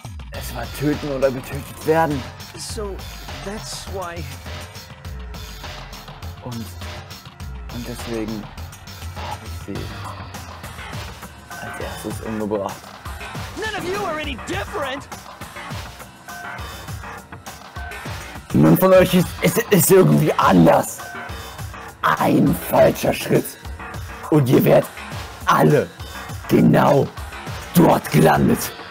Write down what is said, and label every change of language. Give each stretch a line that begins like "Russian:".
German: Es war töten oder getötet werden.
English: So, that's why.
German: Und deswegen habe ich sie als erstes umgebracht.
English: None of you are any different!
German: Niemand von euch ist irgendwie anders. Ein falscher Schritt. Und ihr werdet alle genau dort gelandet.